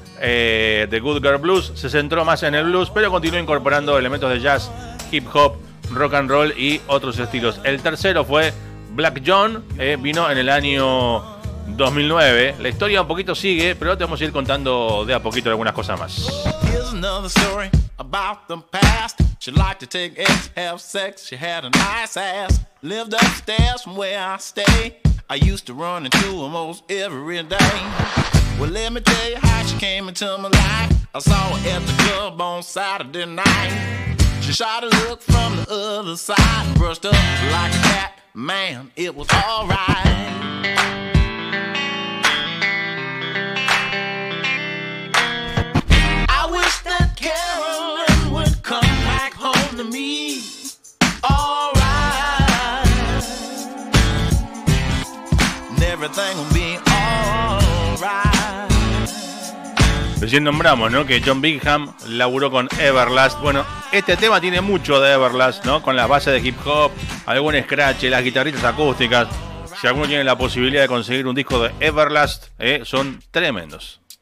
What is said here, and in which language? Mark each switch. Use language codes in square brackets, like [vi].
[es] The Good Girl Blues se centró más en el blues, pero continuó incorporando elementos de jazz, hip hop, rock and roll y otros estilos. El tercero fue Black John, vino en el año 2009. La historia un poquito sigue, pero te vamos a ir contando de a poquito algunas cosas más. [en] Here's another story about the past. She liked to take eggs, have sex, she had a nice ass. Lived upstairs from where I stay. I used to run into almost every day. Well, let me tell you how she came into my life. I saw her at the club on Saturday night. She shot a look from the other side and brushed up like a cat. Man, it was alright. I wish that Carolyn would come back home to me. Alright. And everything will be alright. [es] Recién nombramos, ¿no?, que John Bigham laburó con Everlast. Bueno, Este tema tiene mucho de Everlast, ¿no? Con las bases de hip hop, algún scratch, las guitarritas acústicas. Si alguno tiene la posibilidad de conseguir un disco de Everlast, son tremendos.